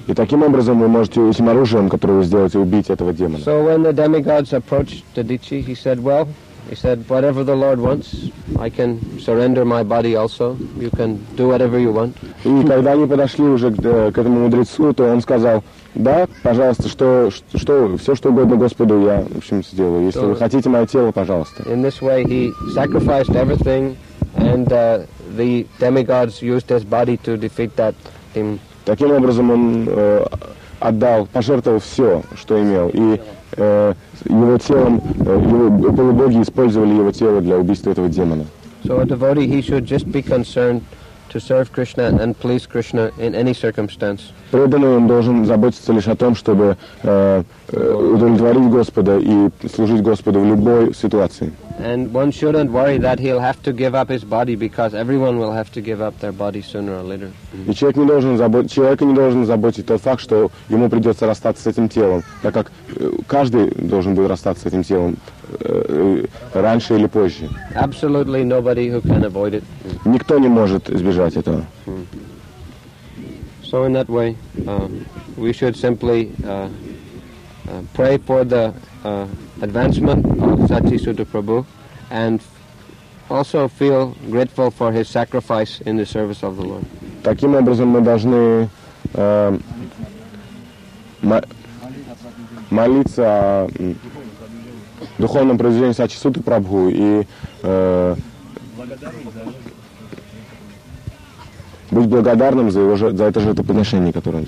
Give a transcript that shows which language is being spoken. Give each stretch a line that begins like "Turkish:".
Russian: И таким образом вы можете этим оружием, которое вы сделаете, убить этого демона.
English: So when the demigods approached Dadichi, he said, well, he said, whatever the Lord wants, I can surrender my body also. You can do whatever you want.
Russian: И когда они подошли уже к этому мудрецу, то он сказал, да, пожалуйста, что все, что угодно Господу, я, в общем, сделаю. Если вы хотите мое тело, пожалуйста.
English: In this way he sacrificed everything. And the demigods used his body to defeat that demon.
Russian: Таким образом он отдал, пожертвовал все, что имел, и его телом, его полубоги использовали его тело для убийства этого демона.
English: So a devotee, he should just be concerned to serve Krishna and please Krishna in any circumstance.
Russian: Преданный он должен заботиться лишь о том, чтобы удовлетворить Господа и служить Господу в любой ситуации.
English: And one shouldn't worry that he'll have to give up his body, because everyone will have to give up their body sooner or later.
Russian: И человека не должен заботить тот факт, что ему придется расстаться с этим телом, так как каждый должен будет расстаться с этим телом раньше или позже.
English: Absolutely nobody who can avoid it.
Russian: Никто не может избежать этого.
English: So in that way, we should simply pray for the advancement of Sati Sutta Prabhu, and also feel grateful for his sacrifice in the service of the Lord.
Russian: Таким образом мы должны молиться о духовном произведении Сати Сутты Прабху и быть благодарным за его за это жертвоприношение, которое он